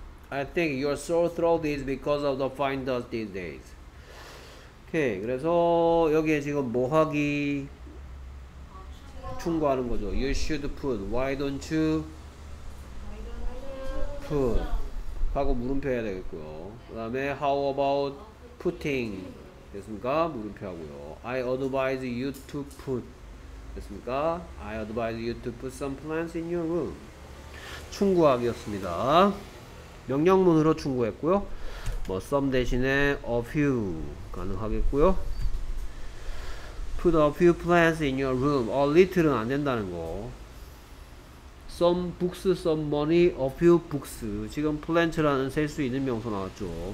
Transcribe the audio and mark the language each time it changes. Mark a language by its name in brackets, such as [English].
[English] I think your sore throat is because of the fine dust these days. [Korean] Okay, 그래서 여기에 지금 뭐하기 충고하는 거죠. [English] You should put. Why don't you put? [Korean] 하고 물음표 해야 되겠고요. 그 다음에 [English] How about putting? [Korean] 됐습니까? 물음표 하고요. [English] I advise you to put. [Korean] 됐습니까? [English] I advise you to put some plants in your room. [Korean] 충고하기였습니다. 명령문으로 충고했고요. 뭐 some 대신에 a few 가능하겠고요. [English] Put a few plants in your room. A little은 [Korean] 안 된다는 거. [English] Some books, some money, a few books. [Korean] 지금 plants라는 셀 수 있는 명사 나왔죠.